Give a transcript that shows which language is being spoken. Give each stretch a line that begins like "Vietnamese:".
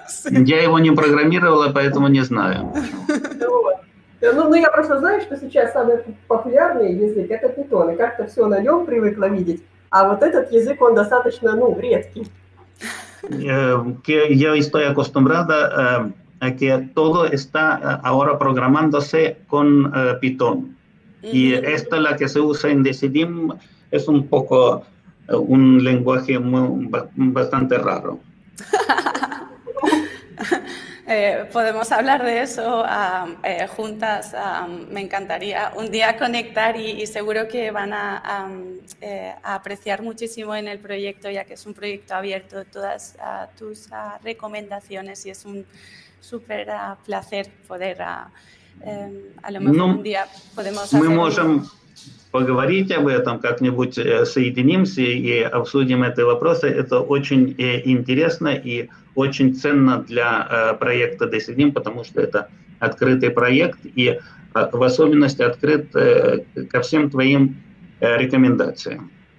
Russian: Я его не программировала, поэтому не знаю. Ну, я просто знаю, что сейчас самый популярный язык – это Python, и как-то все на нем привыкла видеть, а вот этот язык, он достаточно, ну, редкий. Я
Spanish: estoy acostumbrada a que todo está ahora programándose con Python. Y esta, la que se usa en Decidim, es un poco un lenguaje bastante raro. Podemos hablar de eso juntas. Me encantaría un día conectar y seguro que van a apreciar muchísimo en el proyecto, ya que es un proyecto abierto. Todas tus recomendaciones, y es un súper placer poder a lo mejor un día podemos hacer.
Russian: Поговорить об этом, как-нибудь соединимся и обсудим эти вопросы. Это очень интересно и очень ценно для проекта Decidim, потому что это открытый проект и в особенности открыт ко всем твоим рекомендациям.